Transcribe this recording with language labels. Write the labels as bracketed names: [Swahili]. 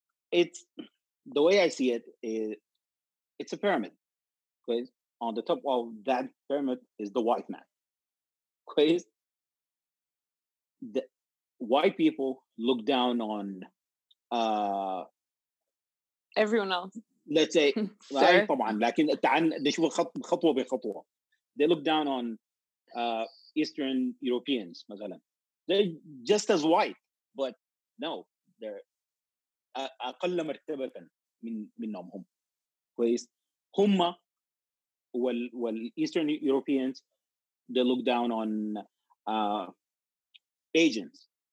[English] It's the way I see it, it's a pyramid. Because on the top of that pyramid is the white man. Because the white people look down on everyone else. Let's say, sure. [Arabic] طبعا, لكن تعال نشوف خطوة بخطوة. [English] They look down on Eastern Europeans, [Arabic] مثلا. [English] They're just as white, but no, they're [Arabic] أقل مرتبة منهم هم. كويس. هم وال [English] Eastern Europeans, they look down on agents.